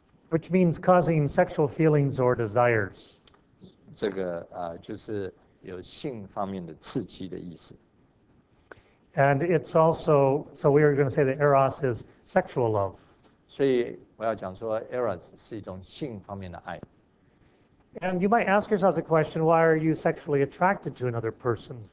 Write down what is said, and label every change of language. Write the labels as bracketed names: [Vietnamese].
[English] which means causing sexual feelings or desires. [Chinese] 这个, 就是有性方面的刺激的意思。 [English] And it's also, so we are going to say that eros is sexual love. [Chinese] 所以我要讲说, eros是一种性方面的爱。 [English] And you might ask yourself the question, why are you sexually attracted to another person?